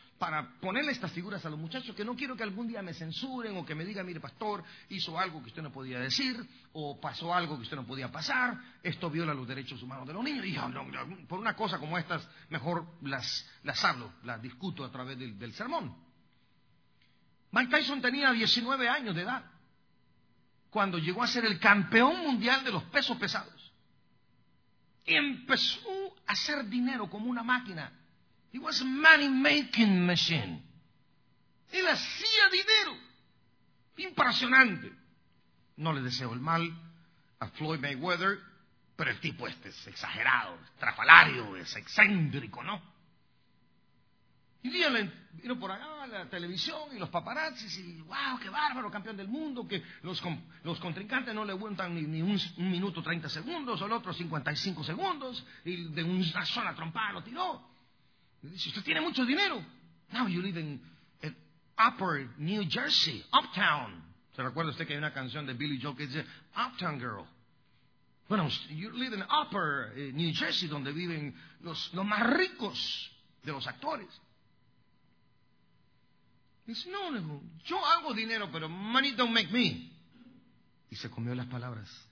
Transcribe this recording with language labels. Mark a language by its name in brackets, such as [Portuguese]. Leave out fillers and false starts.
[Spanish] Para ponerle estas figuras a los muchachos, que no quiero que algún día me censuren o que me digan, mire, pastor, hizo algo que usted no podía decir o pasó algo que usted no podía pasar, esto viola los derechos humanos de los niños. Y yo, no, por una cosa como estas, mejor las hablo, las discuto a través del sermón. Mike Tyson tenía 19 años de edad cuando llegó a ser el campeón mundial de los pesos pesados. Y empezó a hacer dinero como una máquina. [English] He was a money-making machine. [Spanish] Él hacía dinero. Impresionante. No le deseo el mal a Floyd Mayweather, pero el tipo este es exagerado, estrafalario, es excéntrico, ¿no? Y un día le vino por acá la televisión y los paparazzis y ¡wow, qué bárbaro, campeón del mundo! Que los contrincantes no le aguantan ni un minuto 30 segundos, o el otro 55 segundos, y de una sola trompada lo tiró. Y dice, usted tiene mucho dinero. [English] Now you live in Upper New Jersey, Uptown. [Spanish] ¿Se recuerda usted que hay una canción de Billy Joel que dice Uptown Girl? Bueno, [English] you live in Upper New Jersey, [Spanish] donde viven los más ricos de los actores. Dice, no, yo hago dinero, pero [English] money don't make me. [Spanish] Y se comió las palabras.